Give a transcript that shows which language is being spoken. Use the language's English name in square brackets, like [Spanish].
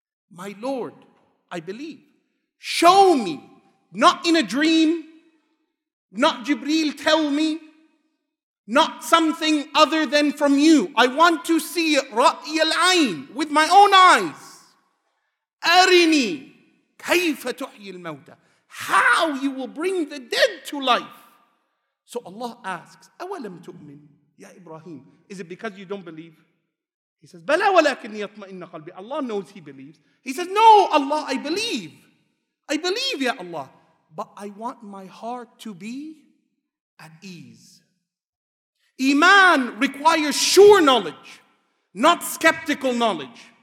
[English] My Lord, I believe, show me, not in a dream, not Jibreel tell me, not something other than from you. I want to see [Arabic] رَأْيَ الْعَيْنِ, [English] with my own eyes. [Arabic] أَرِنِي كَيْفَ تُحْيِي الْمَوْتَى. [English] How you will bring the dead to life. So Allah asks, [Arabic] أَوَلَمْ تُؤْمِنْ يَا إِبْرَاهِيمُ. [English] Is it because you don't believe? He says, [Arabic] بَلَا وَلَكِنْ يَطْمَئِنَّ قَلْبِي. [English] Allah knows he believes. He says, no, Allah, I believe. I believe, ya Allah. But I want my heart to be at ease. Iman requires sure knowledge, not skeptical knowledge.